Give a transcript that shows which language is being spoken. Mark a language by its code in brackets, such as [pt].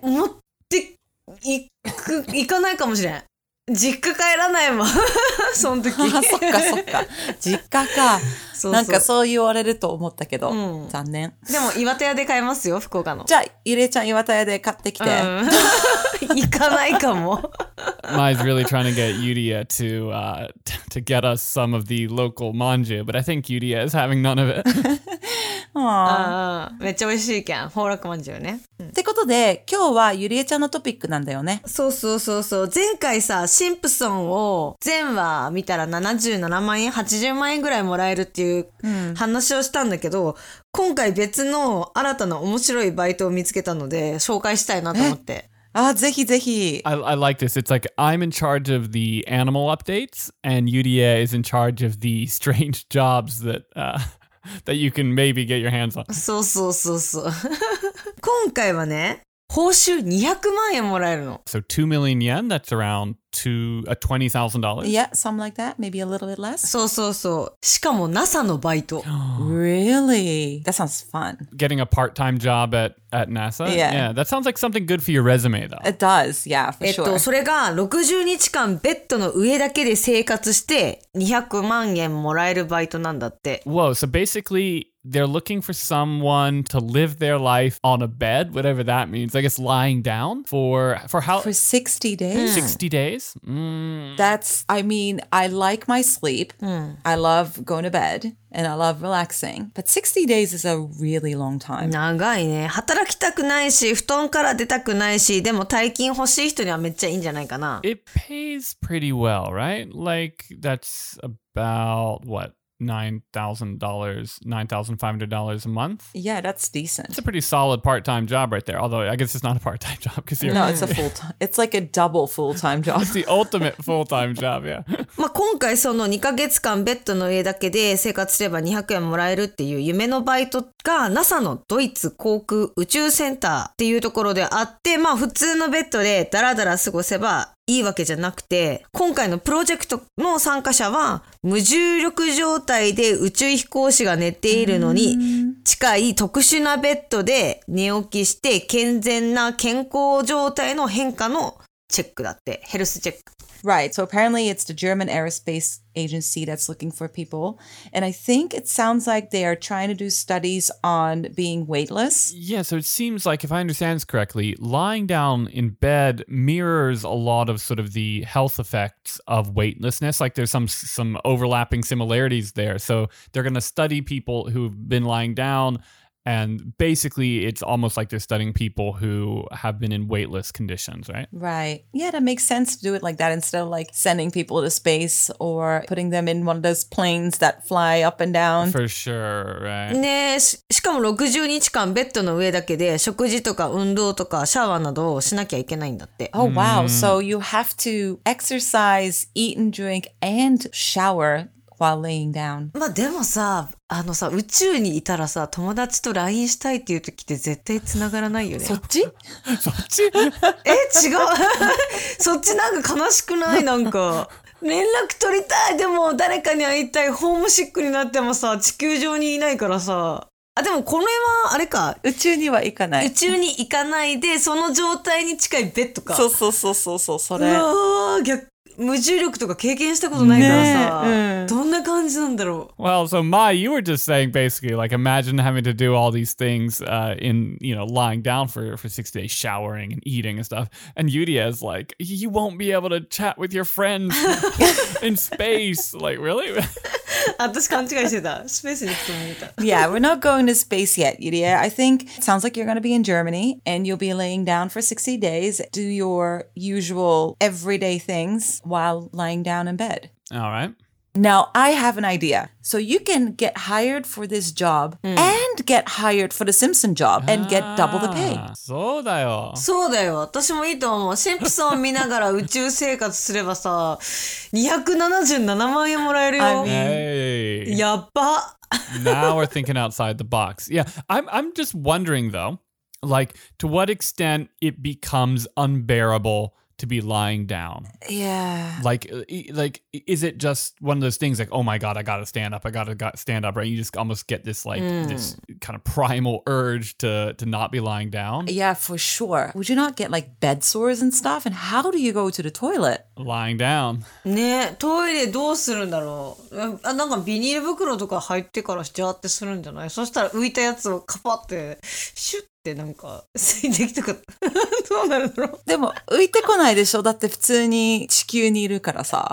[ja] 持って行かないかもしれん。実家帰らないもん。その時。そっかそっか。実家か。そうそう。なんかそう言われると思ったけど。残念。でも岩田屋で買えますよ、福岡の。じゃあ、ゆりえちゃん岩田屋で買ってきて。行かないかも。 [en] Mai's really trying to get Yuria to get us some of the local manju, but I think Yuria is having none of it. [ja] めっちゃ美味しいけん。ほうらくまんじゅうね。ってことで、今日はゆりえちゃんのトピックなんだよね。そうそうそうそう。前回さ、シンプソンを全話見たら77万円、80万円ぐらいもらえるっていう話をしたんだけど、今回別の新たな面白いバイトを見つけたので、紹介したいなと思って。ああ、ぜひぜひ。 [en] I like this. It's like, I'm in charge of the animal updates, and Yuria is in charge of the strange jobs that you can maybe get your hands on. [ja] そうそうそうそう。今回はね、報酬200万円もらえるの。 [en] So 2 million yen, that's around $20,000. Yeah, something like that. Maybe a little bit less. [ja] そうそうそう。しかも NASA のバイト。 [en] Really? That sounds fun. Getting a part-time job at NASA? Yeah. Yeah, that sounds like something good for your resume, though. It does, yeah, for sure. [ja] それが60日間ベッドの上だけで生活して200万円もらえるバイトなんだって。 [en] Whoa, so basically... They're looking for someone to live their life on a bed, whatever that means. I guess lying down for how? For 60 days. 60 days? I like my sleep. I love going to bed and I love relaxing. But 60 days is a really long time. [ja] 長いね。働きたくないし、布団から出たくないし、でも大金欲しい人にはめっちゃいいんじゃないかな。 [en] It pays pretty well, right? Like, that's about what? $9,000, $9,500 a month. Yeah, that's decent. It's a pretty solid part-time job right there. Although, I guess it's not a part-time job because you're... No, it's a full-time. It's like a double full-time job. It's the ultimate full-time job, yeah. [ja] まあ今回その2ヶ月間ベッドの上だけで生活すれば200円もらえるっていう夢のバイトが NASA のドイツ航空宇宙センターっていうところであって、まあ普通のベッドでダラダラ過ごせばいいわけじゃなくて、今回のプロジェクトの参加者は無重力状態で宇宙飛行士が寝ているのに近い特殊なベッドで寝起きして健全な健康状態の変化のチェックだって、ヘルスチェック。 [en] Right, so apparently it's the German Aerospace Agency that's looking for people, and I think it sounds like they are trying to do studies on being weightless. Yeah, so it seems like, if I understand this correctly, lying down in bed mirrors a lot of sort of the health effects of weightlessness. Like there's some overlapping similarities there, so they're going to study people who've been lying downAnd basically, it's almost like they're studying people who have been in weightless conditions, right? Right. Yeah, that makes sense to do it like that instead of like sending people to space or putting them in one of those planes that fly up and down. For sure, right. [ja] ねえ、しかも60日間ベッドの上だけで食事とか運動とかシャワーなどをしなきゃいけないんだって。 [en] Oh, wow. So you have to exercise, eat and drink, and shower. While laying down. [ja] まあでもさ、あのさ、宇宙にいたらさ、友達と LINE したいっていう時って絶対繋がらないよね。そっち？そっち？え、違う。そっちなんか悲しくない？なんか。連絡取りたい。でも誰かに会いたい。ホームシックになってもさ、地球上にいないからさ。あ、でもこれはあれか。宇宙には行かない。宇宙に行かないで、その状態に近いベッドか。そうそうそうそうそう、それ。うわー、逆。無重力とか経験したことないからさ、ね、どんな感じなんだろう。 [en] Well, so Mai, you were just saying basically like imagine having to do all these things、in, you know, lying down for 6 days, showering and eating and stuff. And Yudia is like, you won't be able to chat with your friends in space. Like, really? [ja] 私勘違いしてた。スペースに行くと思った。 [en] Yeah, we're not going to space yet, Yudia. I think it sounds like you're going to be in Germany and you'll be laying down for 60 days. Do your usual everyday things. While lying down in bed. All right. Now, I have an idea. So you can get hired for this job、mm. and get hired for the Simpson job and get double the pay. [ja] そうだよ。そうだよ。私もいいと思う。シンプソン見ながら宇宙生活すればさ、277万円もらえるよ。 [en] I mean, hey. [ja] やっぱ。 [en] Now we're thinking outside the box. Yeah, I'm just wondering though, like, to what extent it becomes unbearable... to be lying down. Yeah. Like, is it just one of those things like, oh my God, I gotta stand up. I gotta stand up, right? You just almost get this, like,、mm. this kind of primal urge to not be lying down. Yeah, for sure. Would you not get, like, bed sores and stuff? And how do you go to the toilet? Lying down. [ja] ね、トイレどうするんだろう。あ、なんかビニール袋とか入ってからしちゃってするんじゃない？そしたら浮いたやつをカパってシュッってなんか水滴とかどうなるの？でも浮いてこないでしょ。だって普通に地球にいるからさ。